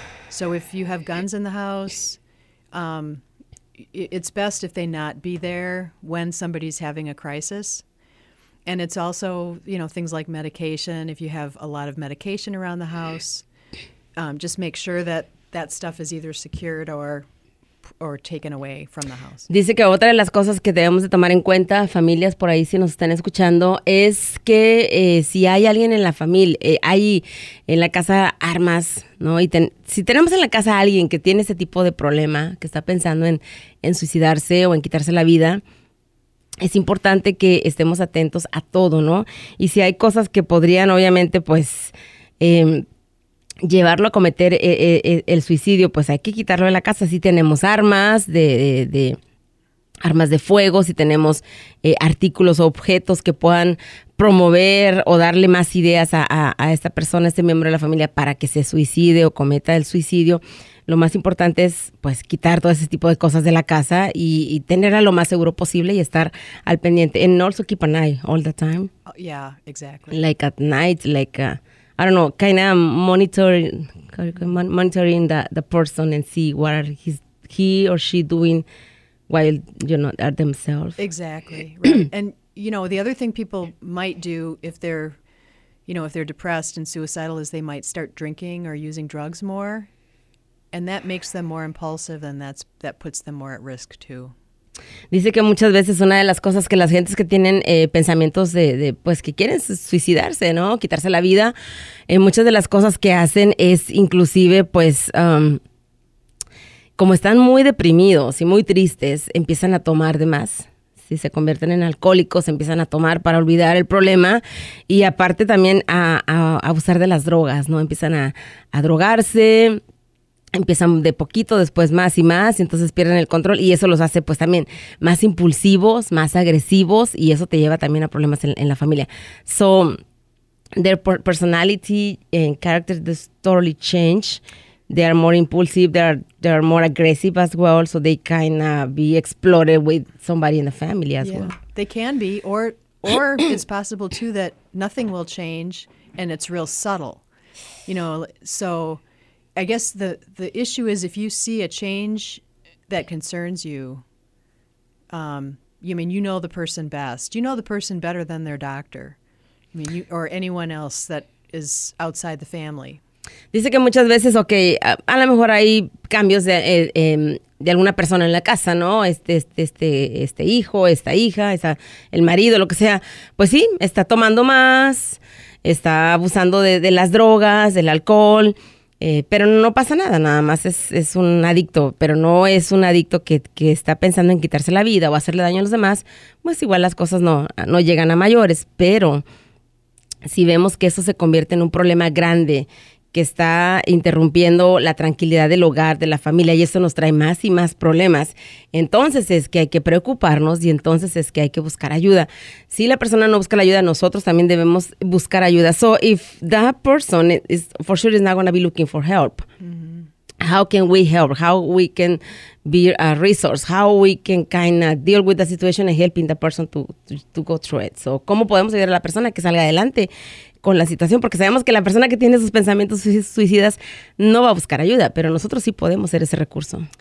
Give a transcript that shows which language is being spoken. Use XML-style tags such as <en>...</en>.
<en>So if you have guns in the house, it's best if they not be there when somebody's having a crisis. And it's also, you know, things like medication. If you have a lot of medication around the house, just make sure that that stuff is either secured or taken away from the house.</en> <es>Dice que otra de las cosas que debemos de tomar en cuenta, familias por ahí si nos están escuchando, es que si hay alguien en la familia, hay en la casa armas, ¿no? Y si tenemos en la casa a alguien que tiene ese tipo de problema, que está pensando en suicidarse o en quitarse la vida, es importante que estemos atentos a todo, ¿no? Y si hay cosas que podrían, obviamente, pues, llevarlo a cometer el suicidio, pues hay que quitarlo de la casa. Si tenemos armas de armas de fuego, si tenemos artículos o objetos que puedan promover o darle más ideas a esta persona, a este miembro de la familia, para que se suicide o cometa el suicidio, lo más importante es, pues, quitar todo ese tipo de cosas de la casa y tenerla lo más seguro posible y estar al pendiente.</es> <en>And also keep an eye all the time. Oh, yeah, exactly. Like at night, like, I don't know, kind of monitoring the person and see what he or she doing while, you know, at themselves. Exactly. Right. And, you know, the other thing people might do if they're, you know, if they're depressed and suicidal is they might start drinking or using drugs more. And that makes them more impulsive, and that puts them more at risk too.</en> <es>Dice que muchas veces una de las cosas que las gentes que tienen pensamientos de pues que quieren suicidarse, ¿no? Quitarse la vida, muchas de las cosas que hacen es inclusive pues como están muy deprimidos y muy tristes, empiezan a tomar de más. Si se convierten en alcohólicos, empiezan a tomar para olvidar el problema y aparte también a abusar de las drogas, ¿no? Empiezan a drogarse. Empiezan de poquito, después más y más, y entonces pierden el control y eso los hace pues también más impulsivos, más agresivos y eso te lleva también a problemas en la familia.</es> <en>So, their personality and character does totally change. They are more impulsive, they are more aggressive as well, so they can be exploited with somebody in the family as well. They can be, or it's possible too that nothing will change and it's real subtle. You know, so I guess the issue is if you see a change that concerns you, you mean you know the person best. You know the person better than their doctor. I mean, you, or anyone else that is outside the family.</en> <es>Dice que muchas veces, okay, a lo mejor hay cambios de alguna persona en la casa, ¿no? Este hijo, esta hija, esa, el marido, lo que sea. Pues sí, está tomando más, está abusando de las drogas, del alcohol. Pero no pasa nada, nada más es un adicto, pero no es un adicto que está pensando en quitarse la vida o hacerle daño a los demás, pues igual las cosas no llegan a mayores, pero si vemos que eso se convierte en un problema grande que está interrumpiendo la tranquilidad del hogar, de la familia, y eso nos trae más y más problemas, entonces es que hay que preocuparnos y entonces es que hay que buscar ayuda. Si la persona no busca la ayuda, nosotros también debemos buscar ayuda.</es> <en>So if that person is for sure is not going to be looking for help, how can we help? How we can be a resource? How we can kind of deal with the situation and helping the person to go through it?</en> <es>So, ¿cómo podemos ayudar a la persona que salga adelante con la situación? Porque sabemos que la persona que tiene sus pensamientos suicidas no va a buscar ayuda, pero nosotros sí podemos ser ese recurso.</es>